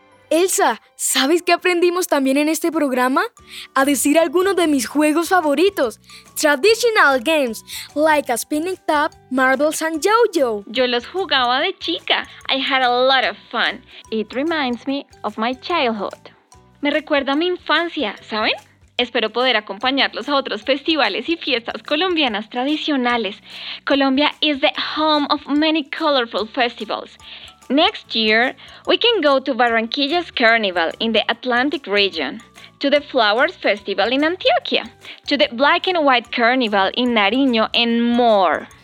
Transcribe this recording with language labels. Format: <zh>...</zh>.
<es>Elsa, ¿sabes qué aprendimos también en este programa? A decir algunos de mis juegos favoritos.</es> <en>Traditional games, like a spinning top, marbles and yo-yo.</en> <es>Yo los jugaba de chica.</es> <en>I had a lot of fun. It reminds me of my childhood.</en> <es>Me recuerda a mi infancia, ¿saben? Espero poder acompañarlos a otros festivales y fiestas colombianas tradicionales.</es> <en>Colombia is the home of many colorful festivals. Next year, we can go to Barranquilla's Carnival in the Atlantic region, to the Flowers Festival in Antioquia, to the Black and White Carnival in Nariño, and more.</en>